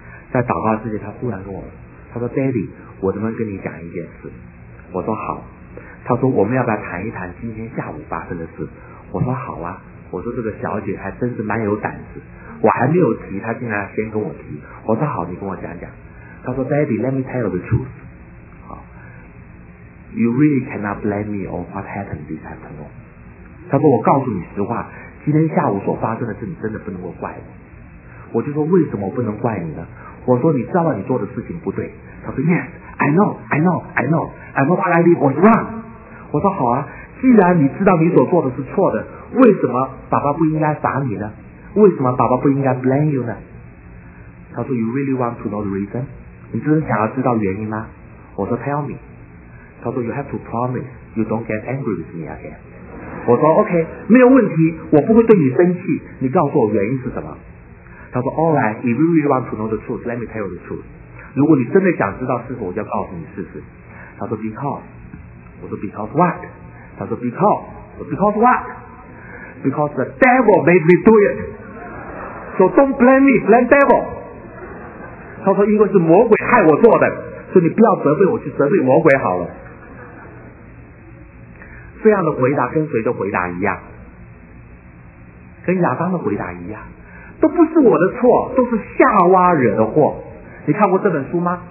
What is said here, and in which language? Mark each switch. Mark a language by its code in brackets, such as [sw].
[zh] 在祷告之前她忽然跟我说，她说 Daddy 我能不能跟你讲一件事？我说好。他说我们要不要谈一谈今天下午发生的事？我说好啊。我说这个小姐还真是蛮有胆子，我还没有提她竟然先跟我提。我说好，你跟我讲讲。他说 [en] Daddy let me tell you the truth， You really cannot blame me on what happened this afternoon。 [zh] 他说我告诉你实话，今天下午所发生的事你真的不能够怪我。我就说为什么不能怪你呢？我说你知道你做的事情不对。他说 [en] Yes I know I know I know I know what I did was wrong。 [zh] 我说好啊，既然你知道你所做的是错的，为什么爸爸不应该罚你呢？为什么爸爸不应该 [en] blame you [zh] 呢？他说 [en] You really want to know the reason? [zh] 你真的想要知道原因吗？我说 [en] Tell me。 [zh] 他说 [en] You have to promise you don't get angry with me again。 [zh] 我说 OK， 没有问题，我不会对你生气，你告诉我原因是什么。他说 [en] Alright, if you really want to know the truth, let me tell you the truth。 [zh] 如果你真的想知道事实，我就要告诉你事实。他说 [en] Because。 [zh] 我说 [en] Because what？ [zh] 他说 [en] Because。Because what？ Because the devil made me do it. So don't blame me, blame devil. [zh] 他说因为是魔鬼害我做的，所以你不要责备我，去责备魔鬼好了。这样的回答跟谁的回答一样？跟亚当的回答一样，都不是我的错，都是夏娃惹的祸。你看过这本书吗？